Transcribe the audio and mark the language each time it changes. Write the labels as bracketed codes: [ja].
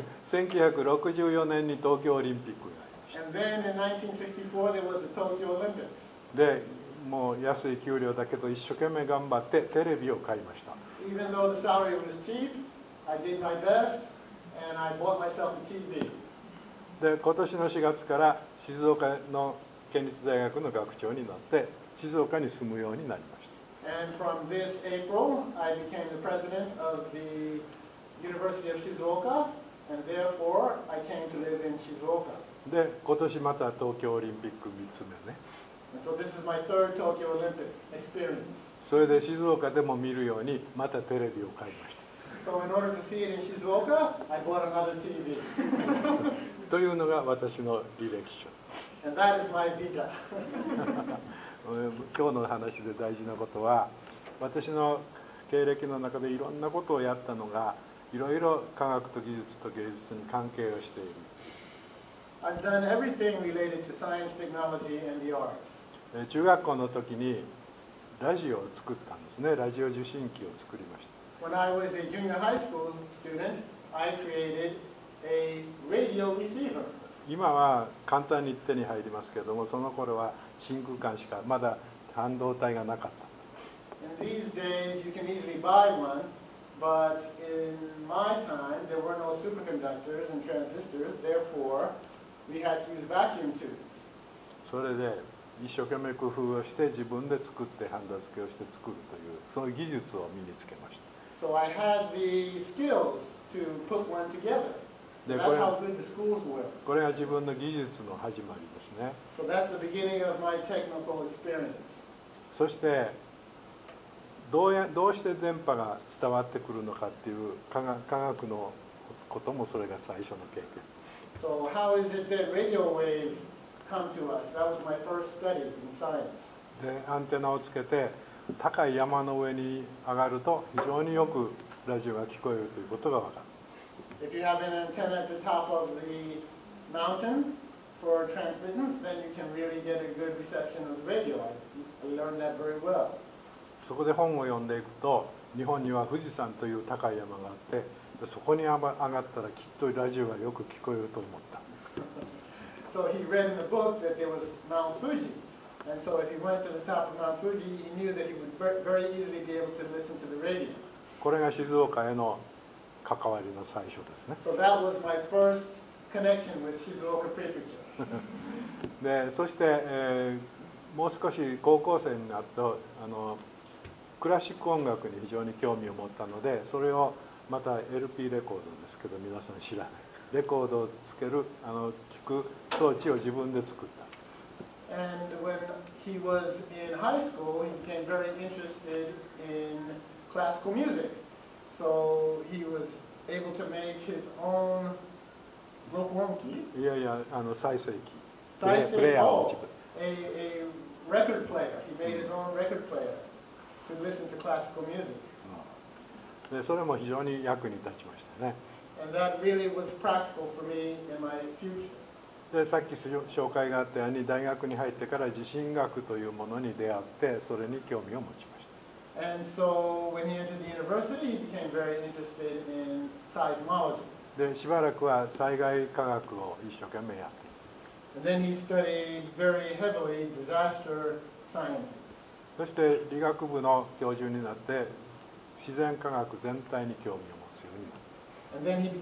[ja] 1964年に東京オリンピックがありました。 [en] And then in 1964, there was the Tokyo Olympics. [ja] で、もう安い給料だけど一生懸命頑張ってテレビを買いました。 [en] Even though the salary was cheap, I did my best and I bought myself a TV. [ja] で、今年の4月から静岡の県立大学の学長になって静岡に住むようになりました。 [en] And from this April, I became the president of the University of Shizuoka and therefore I came to live in Shizuoka. [ja] で、今年また東京オリンピック3つ目ね。 [en] So this is my third Tokyo Olympic experience. [ja] それで静岡でも見るようにまたテレビを買いました。 [en] So in order to see it in Shizuoka, I bought another TV. [ja] というのが私の履歴書。 [en] And that is my vita. [ja] 今日の話で大事なことは、私の経歴の中でいろんなことをやったのが、いろいろ科学と技術と芸術に関係をしている。 [en] I've done everything related to science, technology, and the arts. [ja] 中学校の時にラジオを作ったんですね。ラジオ受信機を作りました。 [en] When I was a junior high school student, I created a radio receiver. [ja] 今は簡単に手に入りますけども、その頃は真空管しかまだ半導体がなかった。 [en] In these days, you can easily buy one, but in my time, there were no superconductors and transistors, therefore, we had to use vacuum tubes. [ja] それで一生懸命工夫をして自分で作ってハンダ付けをして作るというその技術を身につけました。 [en] So I had the skills to put one together. That's how good the schools were. [ja] これが自分の技術の始まりですね。 [en] So that's the beginning of my technical experience. [ja] そしてどうして電波が伝わってくるのかっていう科学のこともそれが最初の経験。 [en] So how is it that radio waves come to us? That was my first study in science. [ja] で、アンテナをつけて高い山の上に上がると非常によくラジオが聞こえるということが分かる。 [en] If you have an antenna at the top of the mountain for transmittance, then you can really get a good reception of the radio. I learned that very well. [ja] そこで本を読んでいくと、日本には富士山という高い山があって、でそこに上がったらきっとラジオがよく聞こえると思った。 [en] So he read in the book that there was Mount Fuji. And so if he went to the top of Mount Fuji, he knew that he would very easily be able to listen to the radio. [ja] これが静岡への関わりの最初ですね。 [en] So that was my first connection with Shizuoka Prefecture. [ja] で、そして、もう少し高校生になると、クラシック音楽に非常に興味を持ったので、それをまた LP レコードですけど皆さん知らないレコードをつける、聞く装置を自分で作った。 [en] And when he was in high school, he became very interested in classical music. So he was able to make his own [ja] 録音機。いやいや、再生機。再生プレイヤーを自分。 [en] A record player. He made his own record player. To listen to classical music. [ja] でそれも非常に役に立ちましたね。 [en] And that really was practical for me in my future. [ja] でさっき紹介があったように大学に入ってから地震学というものに出会ってそれに興味を持ちました。 [en] And so when he entered the university, he became very interested in seismology. [ja] でしばらくは災害科学を一生懸命やって。 [en] And then he studied very heavily disaster science. [ja] そして理学部の教授になって自然科学全体に興味を持つようにな